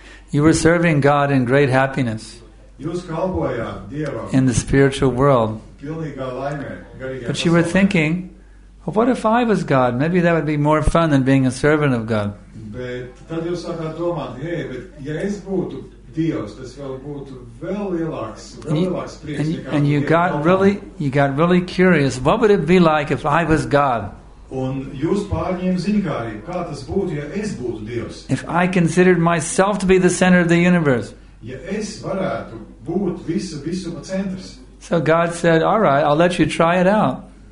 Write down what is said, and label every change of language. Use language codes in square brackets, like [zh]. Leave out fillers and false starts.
[en] You were serving God in great happiness in the spiritual world. But you were thinking, Well, what if I was God? Maybe that would be more fun than being a servant of God. [lv] Bet tad jūs sākāt domāt, hey, bet ja es būtu Dievs, tas vēl būtu vēl lielāks, prieks. [en] And you got really, curious, what would it be like if I was God? [lv] Un jūs pārņēm zinkārī, kā tas būtu, ja es būtu Dievs? [en] If I considered myself to be the center of the universe. [lv] Ja es varētu būt visuma centrs. [en] So God said, all right, I'll let you try it out.